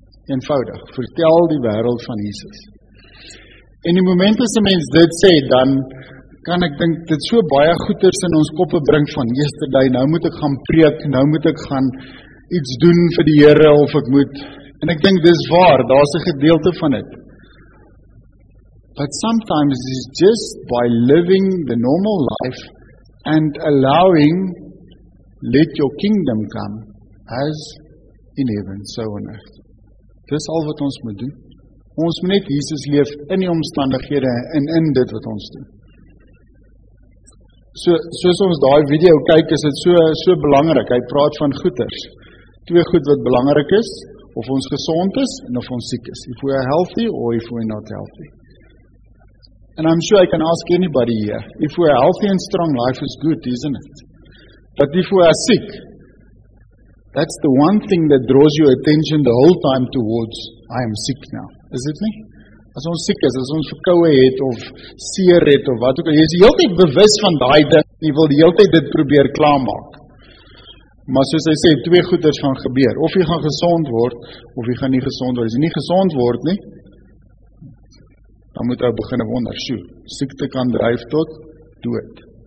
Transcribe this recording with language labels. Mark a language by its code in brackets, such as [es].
[af] Eenvoudig, vertel die wêreld van Jesus. En die moment as 'n mens dit sê, dan kan ek dink dit so baie goeders in ons koppe bring van yesterday, nou moet ek gaan preek, nou moet ek gaan iets doen vir die Here of ek moet. En ek dink dis waar, daar's 'n gedeelte van dit. [en] But sometimes it's just by living the normal life and allowing, let your kingdom come as in heaven, so on earth. [af] Dis al wat ons moet doen. Ons moet net Jesus leef in die omstandighede en in dit wat ons doen. Soos ons daai video kyk, is dit so belangrik. Hy praat van goeders. Twee goed wat belangrik is, of ons gesond is en of ons siek is. [en] If we are healthy or if we are not healthy. And I'm sure I can ask anybody here, if we are healthy and strong, life is good, isn't it? But if we are sick, that's the one thing that draws your attention the whole time towards, I am sick now, is it me? [af] As ons siek is, as ons verkoue het, of seer het, of wat ook al, jy is die hele tyd bewus van daai ding, jy wil die hele tyd dit probeer klaarmaak. Maar soos hy sê, twee goeders gaan gebeur, of jy gaan gesond word, of jy gaan nie gesond word, as jy nie gesond word nie, dan moet hy begin wonder, sjoe, siekte kan drijf tot dood.